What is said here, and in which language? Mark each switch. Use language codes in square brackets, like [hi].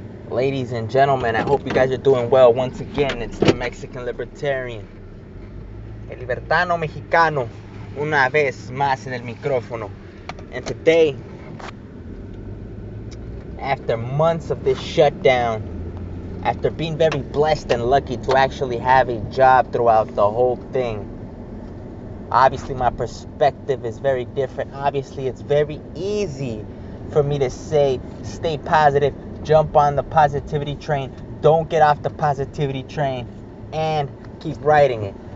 [en] Ladies and gentlemen, I hope you guys are doing well. Once again, it's the Mexican Libertarian. [es] El Libertano Mexicano, una vez más en el micrófono. [en] And today, after months of this shutdown, after being very blessed and lucky to actually have a job throughout the whole thing, obviously my perspective is very different. Obviously, it's very easy for me to say, stay positive, jump on the positivity train, don't get off the positivity train, and keep riding it.